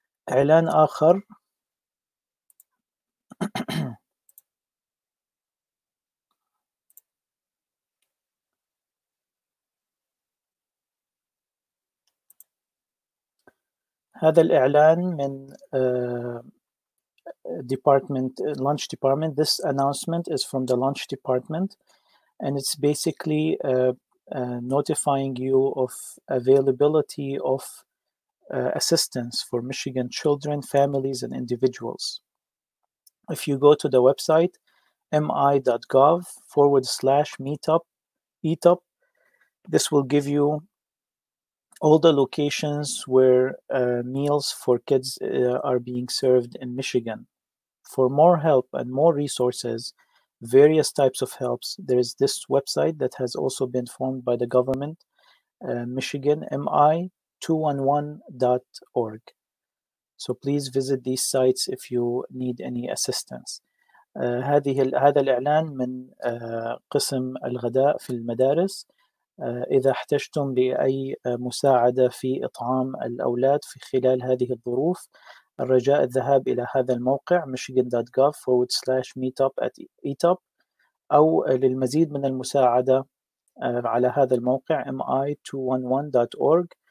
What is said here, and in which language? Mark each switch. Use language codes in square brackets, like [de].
[ar] إعلان آخر هذا الإعلان من [en] department lunch department. This announcement is from the lunch department and it's basically notifying you of availability of assistance for Michigan children, families and individuals. If you go to the website mi.gov/meetup, this will give you all the locations where meals for kids are being served in Michigan. For more help and more resources, various types of helps, there is this website that has also been formed by the government, Michigan, mi211.org. So please visit these sites if you need any assistance. [ar] هذا الإعلان من قسم الغداء في المدارس. إذا احتجتم لأي مساعدة في إطعام الأولاد في خلال هذه الظروف، الرجاء الذهاب إلى هذا الموقع michigan.gov/meetup@etop، أو للمزيد من المساعدة على هذا الموقع mi211.org.